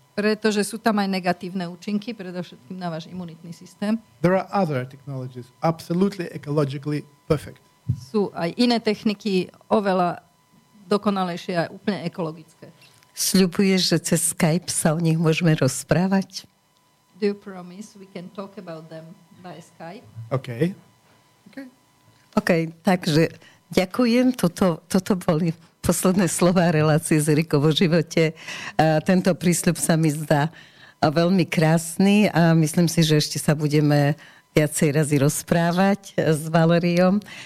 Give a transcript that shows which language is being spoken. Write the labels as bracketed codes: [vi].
[sk] Pretože sú tam aj negatívne účinky, predovšetkým na váš imunitný systém. [en] There are other technologies absolutely ecologically perfect. [sk] Sú aj iné techniky oveľa dokonalejšie a úplne ekologické. Sľubuješ, že cez Skype sa o nich môžeme rozprávať? [en] Do you promise we can talk about them by Skype? Okay. [sk] Okay, takže ďakujem, toto boli posledné slová relácie z Erikovo živote. Tento prísľub sa mi zdá veľmi krásny a myslím si, že ešte sa budeme viacej razy rozprávať s Valeriom.